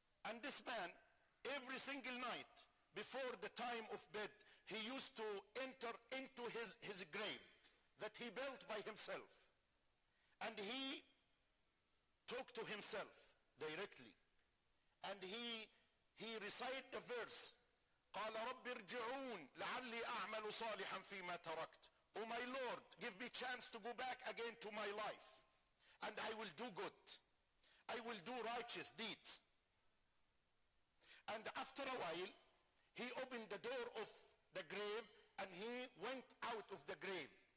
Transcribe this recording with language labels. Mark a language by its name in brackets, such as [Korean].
[English] And this man, every single night before the time of bed, he used to enter into his grave that he built by himself. And he talked to himself directly. And he recited the verse, [Arabic] قَالَ رَبِّ ارْجِعُونَ لَعَلِّي أَعْمَلُ صَالِحًا فِي مَا تَرَكْتْ. [English] Oh my Lord, give me chance to go back again to my life. And I will do good. I will do righteous deeds. And after a while, he opened the door of the grave and he went out of the grave.